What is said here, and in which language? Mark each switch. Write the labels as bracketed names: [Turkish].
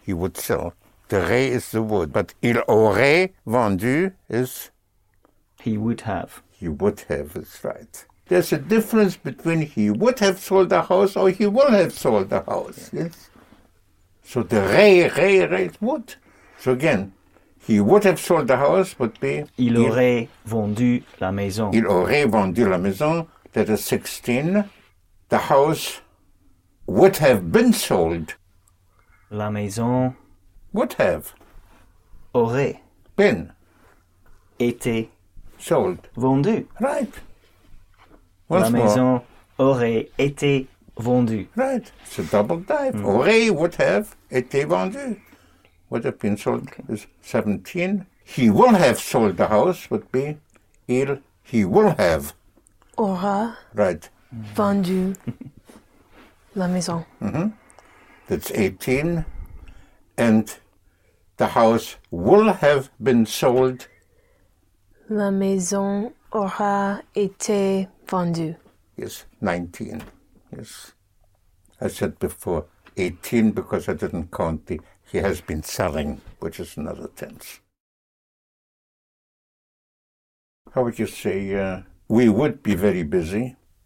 [English] He would sell. The re is the would. But [French] il aurait vendu [English] is he would have. He would have is right. There's a difference between he would have sold the house or he will have sold the house. Yes. Yes. So the re is would. So again, he would have sold the house would be... [French] Il aurait vendu la maison. Il aurait vendu la maison. [English] That is 16. The house would have been sold. [French] La maison... [English] Would have. [French] Aurait. [English] Been. [French] Été. [English] Sold. [French] Vendu. [English] Right. [French] Once la maison more. Aurait été vendue. [English] Right. It's a double dive. Mm. Aurait would have été vendu. Would have been sold. Okay. Is 17. He will have sold the house would be il. He will have. [French] Aura. [English] Right. [French] Vendu. La maison. [English] Mm-hmm. That's 18. And the house will have been sold. [French] La maison aura été vendue. [English] Yes, 19. Yes. I said before 18 because I didn't count the he has been selling, which is another tense. How would you say, we would be very busy?